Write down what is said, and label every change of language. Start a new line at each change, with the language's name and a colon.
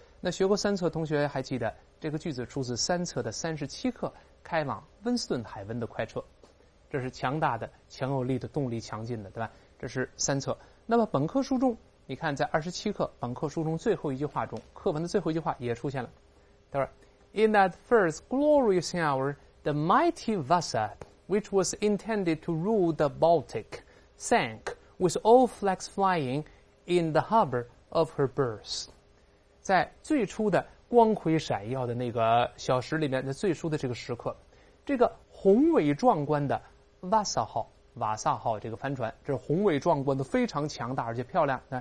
Chinese: 那学过三册同学还记得这个句子出自三册的37课，开往温斯顿海温的快车，这是强大的、强有力的、动力强劲的，对吧？这是三册。那么本科书中，你看在27课本科书中最后一句话中，课文的最后一句话也出现了。他说
English: ：“In that first glorious hour, the mighty Vasa, which was intended to rule the Baltic, sank with all flags flying in the harbor of her birth。”
Chinese: 在最初的光辉闪耀的那个小时里面，在最初的这个时刻，这个宏伟壮观的瓦萨号这个帆船，这是宏伟壮观的，非常强大而且漂亮。